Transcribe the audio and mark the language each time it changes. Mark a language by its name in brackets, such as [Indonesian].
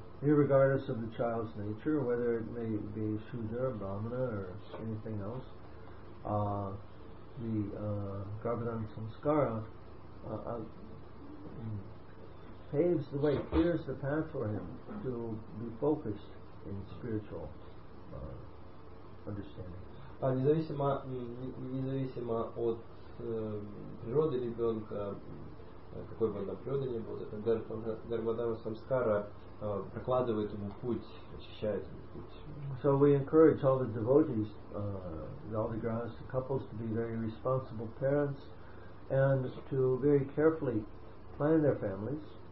[English] Irregardless of the child's nature, whether it may be Shudra, Brahmana, or anything else, the Garbhadana Samskara paves the way, clears the path for him to be focused in spiritual understanding. [Russian] Независимо от природы ребенка, какой бы она природа ни была, это Гарбхадана Самскара прокладывает ему путь, очищает ему путь. [English] So we encourage all the devotees, all the grahastha couples to be very responsible parents and to very carefully plan their families.